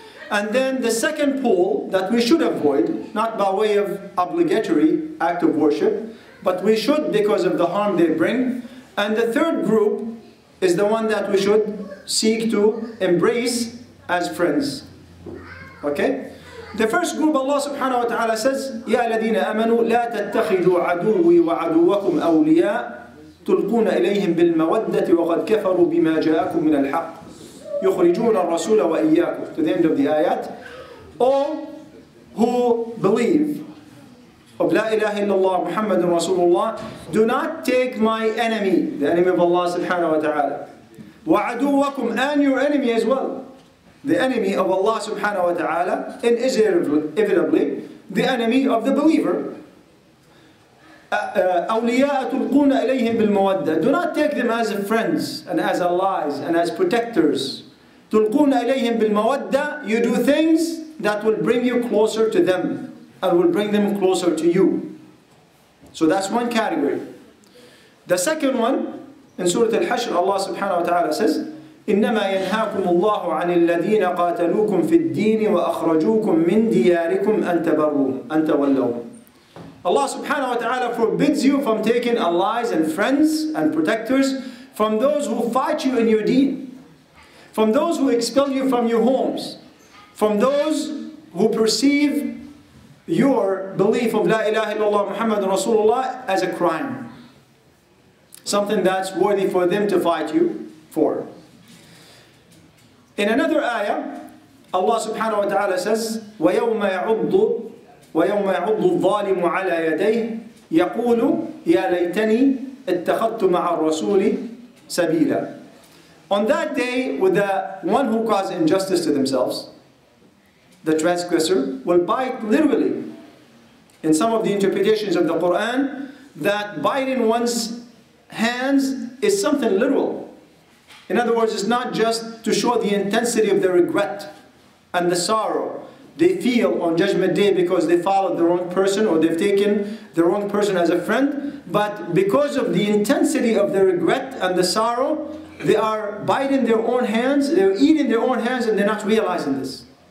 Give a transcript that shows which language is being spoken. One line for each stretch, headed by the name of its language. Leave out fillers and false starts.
English: And then the second pool that we should avoid, not by way of obligatory act of worship, but we should because of the harm they bring. And the third group is the one that we should seek to embrace as friends. Okay? The first group,
Arabic: Allah subhanahu wa ta'ala says, يَا الَّذِينَ أَمَنُوا لَا تَتَّخِذُوا عَدُوِّي وَعَدُوَّكُمْ أَوْلِيَاءَ تُلْقُونَ إِلَيْهِمْ بِالْمَوَدَّةِ وَقَدْ كَفَرُوا بِمَا جَاءَكُمْ مِنَ الْحَقِّ يُخْرِجُونَ الرَّسُولَ وَإِيَّاكُمْ.
English: To the end of the ayat. All who believe of
Arabic: لا إله إلا الله محمد رسول الله,
English: do not take my enemy, the enemy of Allah subhanahu wa ta'ala,
Arabic: وَعَدُوَّكُمْ,
English: and your enemy as well. The enemy of Allah subhanahu wa ta'ala, inevitably, the enemy of the believer.
Arabic: أَوْلِيَاءَ تُلْقُونَ إِلَيْهِمْ بِالْمَوَدَّةِ.
English: Do not take them as friends and as allies and as protectors.
Arabic: تُلْقُونَ إِلَيْهِمْ بِالْمَوَدَّةِ.
English: You do things that will bring you closer to them and will bring them closer to you. So that's one category. The second one,
Arabic: in Surah Al-Hashr, Allah subhanahu wa ta'ala says, إنما ينهاكم الله عن الذين قاتلوكم في الدين وأخرجوكم من دياركم أن تبروهم أن تولوهم.
English: Allah subhanahu wa ta'ala forbids you from taking allies and friends and protectors from those who fight you in your deen, from those who expel you from your homes, from those who perceive your belief of La ilaha illallah Muhammad Rasulullah as a crime. Something that's worthy for them to fight you for. In another ayah,
Arabic: Allah subhanahu wa ta'ala says, وَيَوْمَ يَعُضُّ الظَّالِمُ عَلَىٰ يَدَيْهِ يَقُولُ يَا لَيْتَنِي اتَّخَذْتُ مَعَ الرَّسُولِ سَبِيلًا.
English: On that day, with the one who caused injustice to themselves, the transgressor, will bite literally. In some of the interpretations of the Quran, that biting one's hands is something literal. In other words, it's not just to show the intensity of their regret and the sorrow they feel on Judgment Day because they followed the wrong person or they've taken the wrong person as a friend, but because of the intensity of their regret and the sorrow, they are biting their own hands, they're eating their own hands, and they're not realizing this.